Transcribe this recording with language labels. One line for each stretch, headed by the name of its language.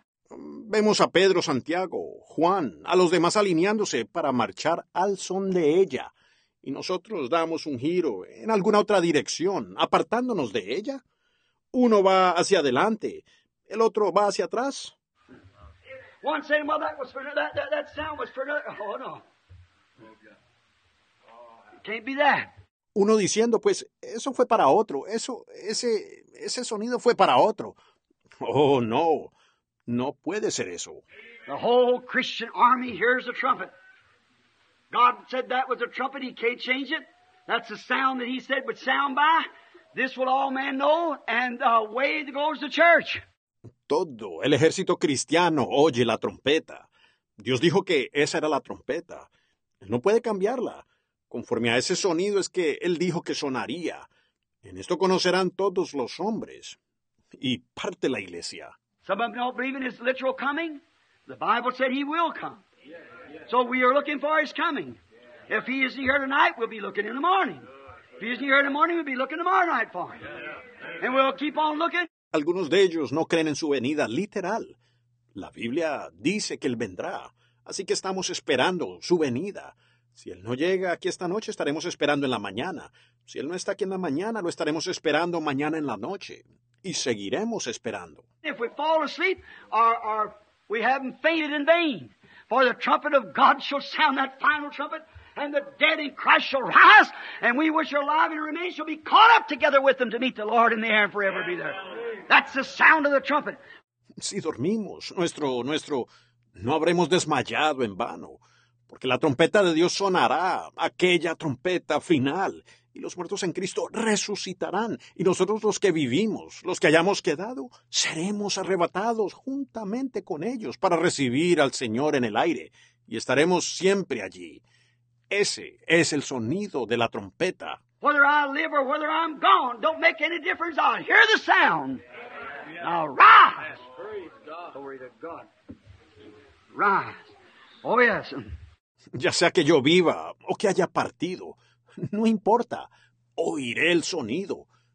Spanish: Vemos a Pedro, Santiago, Juan, a los demás alineándose para marchar al son de ella. Y nosotros damos un giro en alguna otra dirección, apartándonos de ella. Uno va hacia adelante, el otro va hacia atrás.
English: One said, well, that was for another, that sound was for another. Oh, no. Can't be that.
Spanish: Uno diciendo, pues, eso fue para otro. Ese sonido fue para otro. Oh, no. No puede ser eso.
English: The whole Christian army hears the trumpet. God said that was a trumpet. He can't change it. That's the sound that he said would sound by. This will all men know, and away goes the church.
Spanish: Todo el ejército cristiano oye la trompeta. Dios dijo que esa era la trompeta. No puede cambiarla. Conforme a ese sonido es que él dijo que sonaría. En esto conocerán todos los hombres. Y parte la iglesia.
English: Some of them don't believe in his literal coming. The Bible said he will come. So we are looking for his coming. If he isn't here tonight, we'll be looking in the morning. If he isn't here in the morning, we'll be looking tomorrow night for him. And we'll keep on looking.
Spanish: Algunos de ellos no creen en su venida literal. La Biblia dice que él vendrá. Así que estamos esperando su venida. Si él no llega aquí esta noche, estaremos esperando en la mañana. Si él no está aquí en la mañana, lo estaremos esperando mañana en la noche. Y seguiremos esperando.
English: If we fall asleep, or we haven't fainted in vain. For the trumpet of God shall sound that final trumpet, and the dead in Christ shall rise, and we which are alive and remain shall be caught up together with them to meet the Lord in the air and forever be there. That's the sound of the trumpet.
Spanish: Si dormimos, nuestro, no habremos desmayado en vano. Porque la trompeta de Dios sonará, aquella trompeta final. Y los muertos en Cristo resucitarán. Y nosotros los que vivimos, los que hayamos quedado, seremos arrebatados juntamente con ellos para recibir al Señor en el aire. Y estaremos siempre allí. Ese es el sonido de la trompeta.
English: Whether I live or whether I'm gone, don't make any difference. I'll hear the sound. Now rise. Glory to God. Rise. Oh, yes.
Spanish: Ya sea que yo viva o que haya partido, no importa, oiré el sonido.